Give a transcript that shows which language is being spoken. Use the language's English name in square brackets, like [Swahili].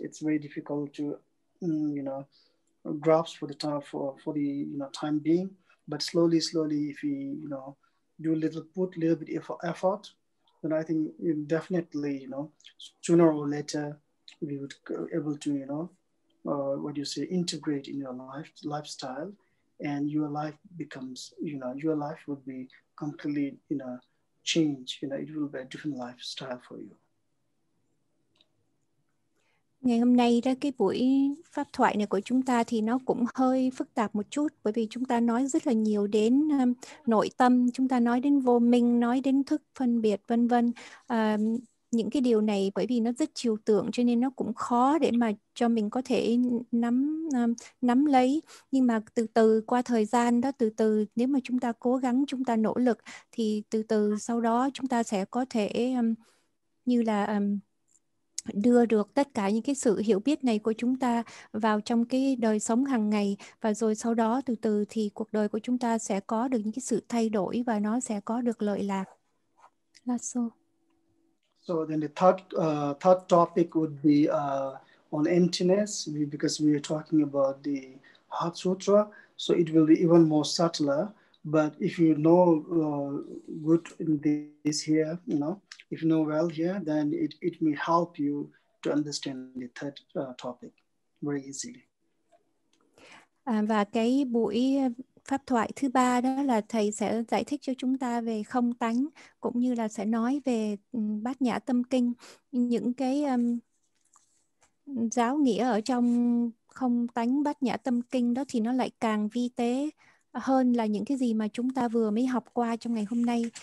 [English] It's very difficult to grasp for the time, for the time being, but slowly if we do a little bit of effort, then I think definitely sooner or later we would able to integrate in your lifestyle, and your life becomes your life would be completely change, it will be a different lifestyle for you. [Vietnamese] Ngày hôm nay đó, cái buổi pháp thoại này của chúng ta thì nó cũng hơi phức tạp một chút, bởi vì chúng ta nói rất là nhiều đến nội tâm, chúng ta nói đến vô minh, nói đến thức phân biệt vân vân. những cái điều này bởi vì nó rất trừu tượng cho nên nó cũng khó để mà cho mình có thể nắm nắm lấy. Nhưng mà từ từ qua thời gian đó, từ từ nếu mà chúng ta cố gắng, chúng ta nỗ lực thì từ từ sau đó chúng ta sẽ có thể như là đưa được tất cả những cái sự hiểu biết này của chúng ta vào trong cái đời sống hàng ngày, và rồi sau đó từ từ thì cuộc đời của chúng ta sẽ có được những cái sự thay đổi và nó sẽ có được lợi lạc. Lasso. [English] So then the third topic would be on emptiness, because we are talking about the Heart Sutra, so it will be even more subtler. But if you know good in this here, you know, if you know well here, then it may help you to understand the third topic very easily. [Vietnamese] Và cái buổi pháp thoại thứ ba đó là thầy sẽ giải thích cho chúng ta về không tánh, cũng như là sẽ nói về Bát Nhã Tâm Kinh, những cái giáo nghĩa ở trong không tánh Bát Nhã Tâm Kinh đó thì nó lại càng vi tế hơn là những cái gì mà chúng ta vừa mới học qua trong ngày hôm nay.